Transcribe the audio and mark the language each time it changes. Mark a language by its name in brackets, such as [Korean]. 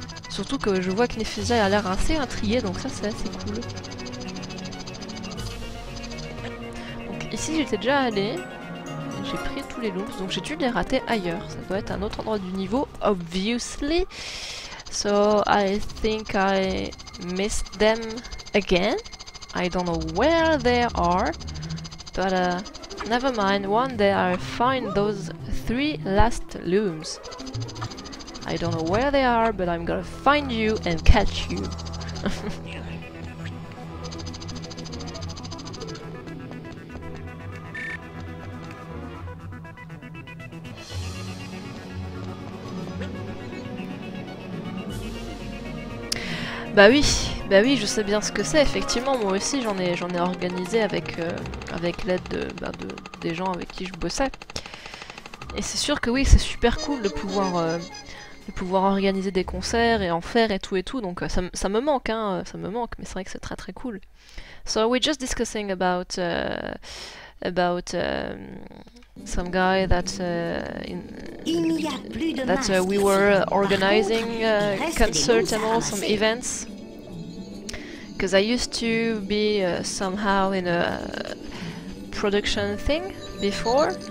[French] Surtout que je vois que Nephesia a l'air assez intriguée, donc ça c'est assez cool. Donc ici j'étais déjà allée, j'ai pris tous les loops, donc j'ai dû les rater ailleurs. Ça doit être un autre endroit du niveau, obviously. [English] So I think I missed them again. I don't know where they are, but never mind, one day I'll find those three last looms. I don't know where they are, but I'm gonna find you and catch you. [French] Bah oui, je sais bien ce que c'est. Effectivement, moi aussi, j'en ai organisé avec l'aide des gens avec qui je bossais. Et c'est sûr que oui, c'est super cool de pouvoir organiser des concerts et en faire et tout, donc ça me manque, hein, ça me manque, mais c'est vrai que c'est très très cool. [English] So we're just discussing about some guy that we were organizing concert and all some events. Because I used to be somehow in a production thing before.